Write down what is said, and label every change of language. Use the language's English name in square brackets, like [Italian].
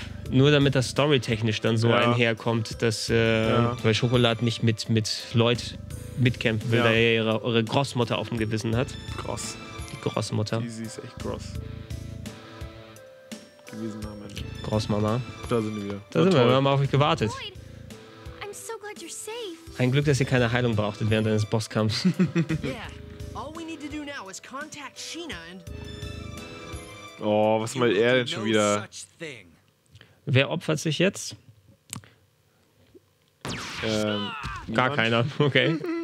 [German] Nur damit das storytechnisch dann so einherkommt, dass weil Schokolade nicht mit Lloyd mitkämpfen will, da er ihre Grossmutter auf dem Gewissen hat. Gross. Die Grossmutter. Die ist echt gross. Gewesen, Mann. Grossmama. Da sind wir. Da sind wir. Wir haben auf euch gewartet. [English] Lloyd, I'm so glad you're safe. [German] Ein Glück, dass ihr keine Heilung brauchtet während eines Bosskampfs. [English] All we need to do now is contact Sheena and... [German] Oh, was meint er denn schon wieder? Wer opfert sich jetzt? Gar keiner, okay.